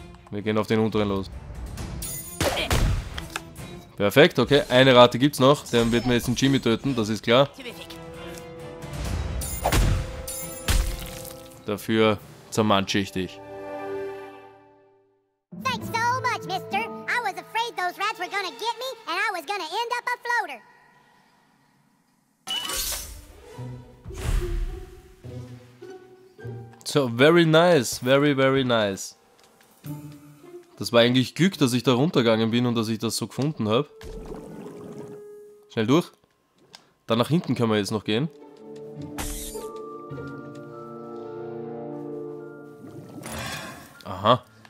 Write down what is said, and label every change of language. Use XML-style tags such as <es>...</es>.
<de>Wir gehen auf den unteren los. Perfekt, okay. Eine Rate gibt's noch. Dann wird mir jetzt den Jimmy töten, das ist klar. Dafür zermantsche ich dich.</de> <en>Thanks so much, Mister. I was afraid those rats were gonna get me and I was gonna end up a floater. So, very nice, very, very nice.</en> <de>Das war eigentlich Glück, dass ich da runtergegangen bin und dass ich das so gefunden habe. Schnell durch. Dann nach hinten können wir jetzt noch gehen. Aha.</de>